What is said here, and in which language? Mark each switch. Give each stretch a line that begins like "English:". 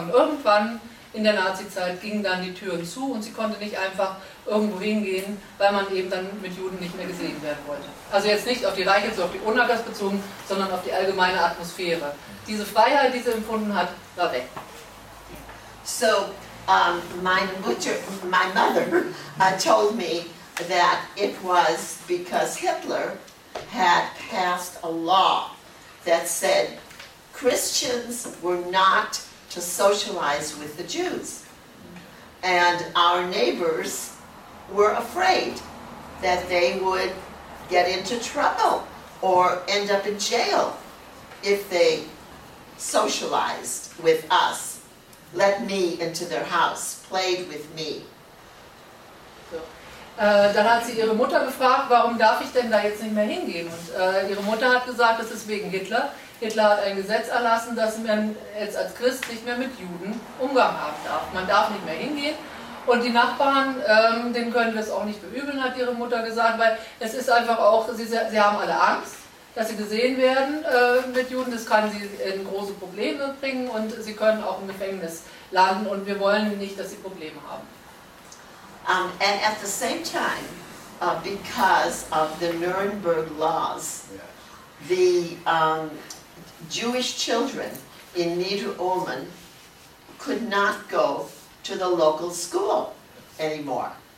German: Und irgendwann in der Nazi-Zeit gingen dann die Türen zu und sie konnte nicht einfach irgendwo hingehen, weil man eben dann mit Juden nicht mehr gesehen werden wollte. Also jetzt nicht auf die Reichel, so auf die Onackers bezogen, sondern auf die allgemeine Atmosphäre. Diese Freiheit, die sie empfunden hat, war weg.
English: So, my mother told me that it was because Hitler had passed a law that said Christians were not to socialize with the Jews. And our neighbors were afraid that they would get into trouble or end up in jail if they socialized with us. Let me into their house, played with me. So.
German: Dann hat sie ihre Mutter gefragt, warum darf ich denn da jetzt nicht mehr hingehen? Und ihre Mutter hat gesagt, das ist wegen Hitler. Hitler hat ein Gesetz erlassen, dass man jetzt als Christ nicht mehr mit Juden Umgang haben darf. Man darf nicht mehr hingehen. Und die Nachbarn, denen können das auch nicht verübeln, hat ihre Mutter gesagt, weil es ist einfach auch, sie haben alle Angst, dass sie gesehen werden mit Juden, das kann sie in große Probleme bringen und sie können auch im Gefängnis landen und wir wollen nicht, dass sie Probleme haben.
English: And at the same time, because of the Nuremberg laws, the Jewish children in Niederohm could not go to the local school anymore.